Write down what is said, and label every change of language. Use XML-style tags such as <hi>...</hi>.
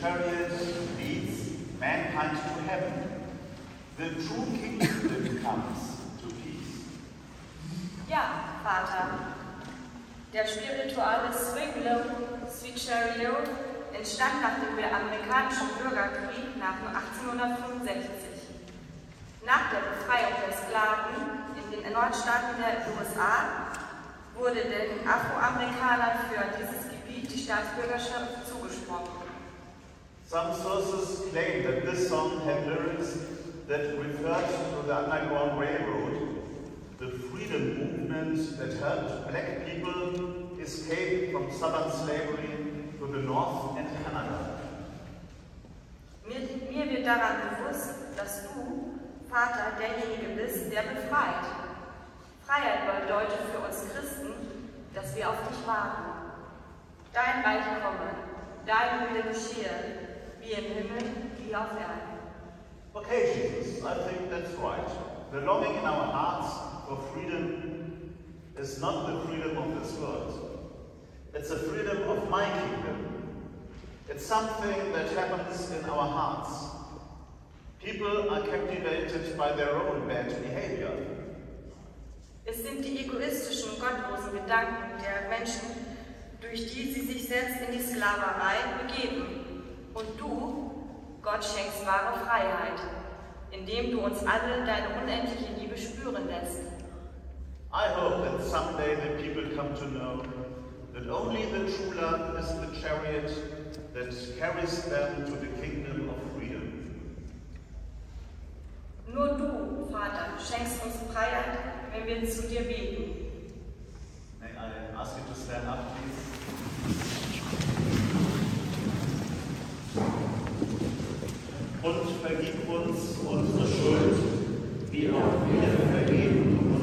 <en>mind to heaven, the true kingdom comes to peace.</en> <de>Ja, Vater. Der spirituelle Zwingli, Switcherio, entstand nach dem amerikanischen Bürgerkrieg nach 1865. Nach der Befreiung der Sklaven in den Nordstaaten der USA wurde den Afroamerikanern für dieses Gebiet die Staatsbürgerschaft zugesprochen.</de> <en>Some sources claim that this song had lyrics that referred to the Underground Railroad, the freedom movement that helped black people escape from southern slavery to the North and Canada.</en> <de>Mir wird daran bewusst, dass du, Vater, derjenige bist, der befreit. Freiheit bedeutet für uns Christen, dass wir auf dich warten. Dein Reich komme, dein Wille geschehe, wie im Himmel, wie auf Erden.</de> <en>Okay, Jesus, I think that's right. The longing in our hearts for freedom is not the freedom of this world. It's a freedom of my kingdom. It's something that happens in our hearts. People are captivated by their own bad behavior.</en> <de>Es sind die egoistischen, gottlosen Gedanken der Menschen, durch die sie sich selbst in die Sklaverei begeben. Und du, Gott, schenkst wahre Freiheit, indem du uns alle deine unendliche Liebe spüren lässt.</de> <en>I hope that someday the people come to know that only the true love is the chariot that carries them to the kingdom of freedom.</en> <de>Nur du, Vater, schenkst uns Freiheit, wenn wir zu dir beten.</de> <en>May I ask you to stand up, please?</en> <de>Und vergib uns unsere Schuld, wie auch wir vergeben.</de>